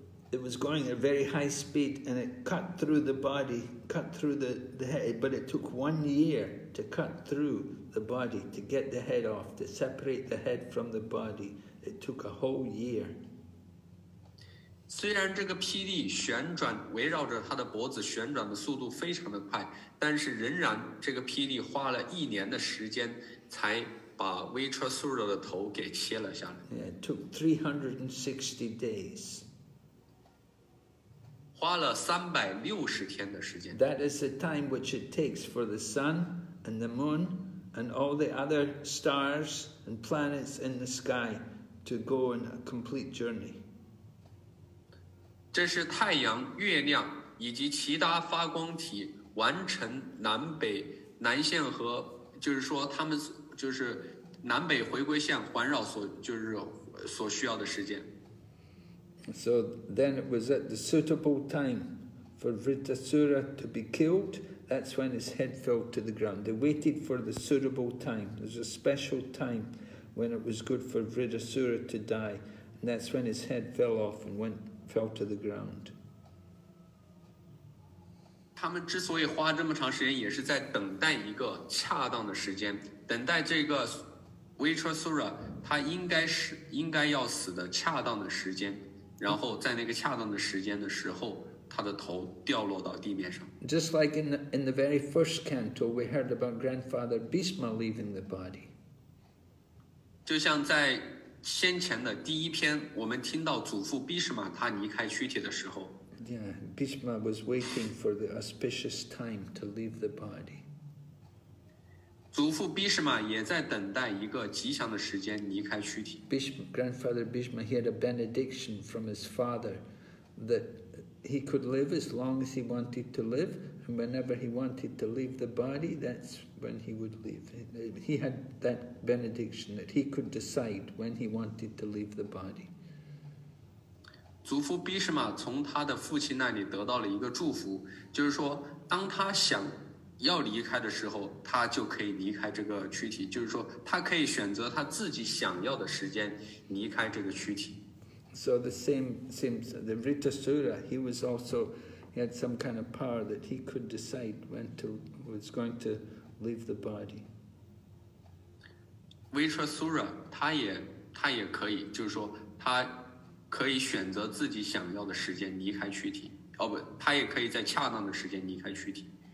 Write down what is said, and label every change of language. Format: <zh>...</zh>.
<en>It was going at a very high speed and it cut through the body, cut through the head, but it took 1 year to cut through the body, to get the head off, to separate the head from the body. It took a whole year.</en> <zh>虽然这个霹雳旋转围绕着他的脖子旋转的速度非常的快，但是仍然这个霹雳花了一年的时间才把 Vritasura 的头给切了下来。</zh> <en>Yeah, it took 360 days.</en> <zh>花了360天的时间。</zh> <en>That is the time which it takes for the sun and the moon and all the other stars and planets in the sky to go on a complete journey.</en> <zh>这是太阳、月亮以及其他发光体完成南北南线和就是说他们就是南北回归线环绕所就是所需要的时间。</zh> <en>So then it was at the suitable time for Vritasura to be killed. That's when his head fell to the ground. They waited for the suitable time. There's a special time when it was good for Vritasura to die. And that's when his head fell off and fell to the ground.</en> <zh>他们之所以花这么长时间也是在等待一个恰当的时间，等待这个 Vritasura 他应该要死的恰当的时间。然后在那个恰当的时间的时候，他的头掉落到地面上。</zh> <en>Just like in the very first canto, we heard about Grandfather Bhishma leaving the body.</en> <zh>就像在先前的第一篇，我们听到祖父毕什玛他离开躯体的时候。</zh> <en>Yeah, Bhishma was waiting for the auspicious time to leave the body.</en> <zh>祖父 Bhishma 也在等待一个吉祥的时间离开躯体。</zh> <en>Bhishma, grandfather Bhishma, he had a benediction from his father that he could live as long as he wanted to live, and whenever he wanted to leave the body, that's when he would leave. He had that benediction that he could decide when he wanted to leave the body.</en> <zh>祖父毕什玛从他的父亲那里得到了一个祝福，就是说当他想要离开的时候，他就可以离开这个躯体，就是说他可以选择他自己想要的时间离开这个躯体。</zh> <en>So the same the Vritta Sura, he was also, he had some kind of power that he could decide when to was going to leave the body.</en> <zh>Vritta Sura, 他也可以，就是说他可以选择自己想要的时间离开躯体，哦不，他也可以在恰当的时间离开躯体。</zh>